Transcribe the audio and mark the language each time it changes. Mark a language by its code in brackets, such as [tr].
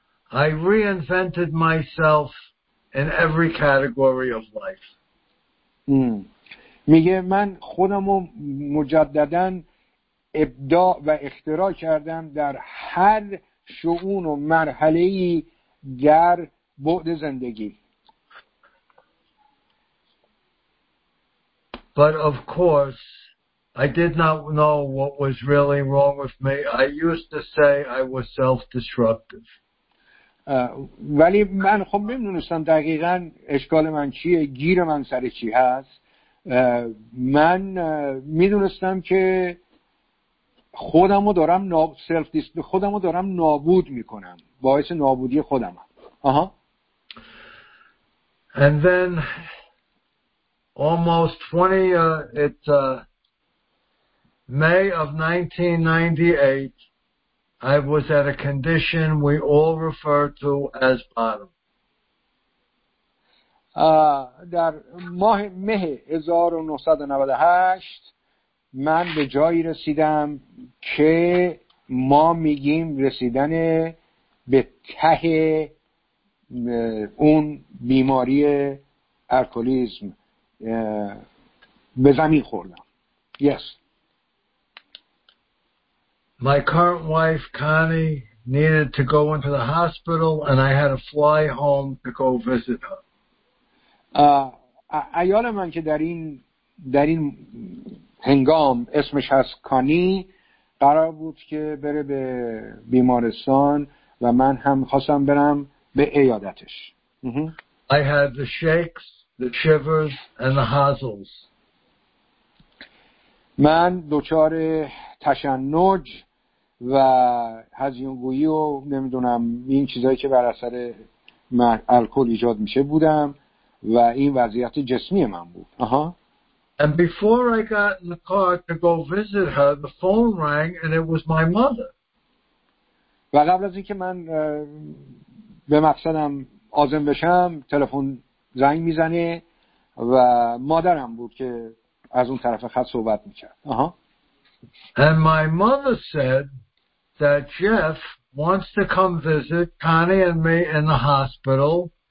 [en] I reinvented myself in every category of life. [fa] میگه من خودمو مجددا ابداع و اختراع کردم در هر شؤون و مرحله‌ای در بعد زندگی. [en] But of course, I did not know what was really wrong with me. I used to say I was self-destructive. [fa] ولی من خب نمیدونستم دقیقا اشکال من چیه گیر من سر چی هست من میدونستم که خودمو دارم نابود میکنم باعث نابودی خودم هم [en] and then almost 20 it's May of 1998 I was at a condition we all refer to as bottom. [fa] در ماه مه 1998 من به جایی رسیدم که ما میگیم رسیدن به ته اون بیماری الکلیسم به زمین خوردم. Yes. [en] My current wife, Connie, needed to go into the hospital, and I had to fly home to go visit her. [fa] عیال من که در این هنگام اسمش هست کانی، قرار بود که بره به بیمارستان و من هم خواستم برم به عیادتش. [en] I had the shakes, the shivers, and the hazels. [fa] من دچار تشنج و هزیونگویی و نمیدونم این چیزایی که بر اثر الکل ایجاد میشه بودم و این وضعیت جسمی من بود. [en] And before I got in the car to go visit her, the phone rang and it was my mother. [fa] و قبل از اینکه من به مقصدم عازم بشم، تلفن زنگ میزنه و مادرم بود که از اون طرف خط صحبت میکرد. [en] And my mother said that Jeff wants to come visit Connie and me in the hospital.